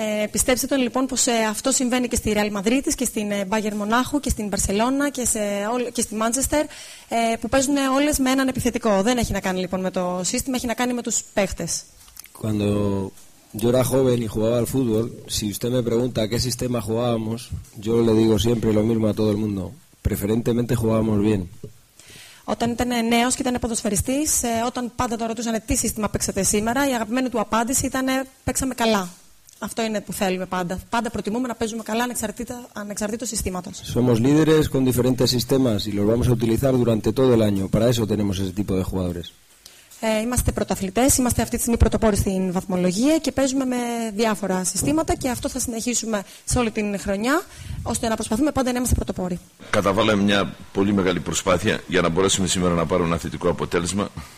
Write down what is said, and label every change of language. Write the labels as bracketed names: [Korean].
[Greek] Πιστέψτε τον λοιπόν πως αυτό συμβαίνει και στη Real Madrid, και στην Bayern Μονάχου, και στην Barcelona, και στη Manchester, που παίζουν όλες με έναν επιθετικό. Δεν έχει να κάνει λοιπόν με το σύστημα, έχει να κάνει με τους παίχτες. [Spanish] Cuando yo era joven y jugaba al fútbol, si usted me pregunta qué sistema jugábamos, yo le digo siempre lo mismo a todo el mundo. Preferentemente jugábamos bien. [Greek] Όταν ήταν νέος και ήταν ποδοσφαιριστής, όταν πάντα το ρωτούσαν τι σύστημα παίξατε σήμερα, η αγαπημένη του απάντηση ήταν παίξαμε καλά. Αυτό είναι που θέλουμε πάντα. Πάντα προτιμούμε να παίζουμε καλά ανεξαρτήτως συστήματος. [Spanish] Somos líderes con diferentes sistemas y los vamos a utilizar durante todo el año. Para eso tenemos ese tipo de jugadores. [Greek] Είμαστε πρωταθλητές, είμαστε αυτή τη στιγμή πρωτοπόροι στην βαθμολογία και παίζουμε με διάφορα συστήματα και αυτό θα συνεχίσουμε σε όλη την χρονιά ώστε να προσπαθούμε πάντα να είμαστε πρωτοπόροι. Καταβάλαμε μια πολύ μεγάλη προσπάθεια για να μπορέσουμε σήμερα να πάρουμε ένα θετικό αποτέλεσμα.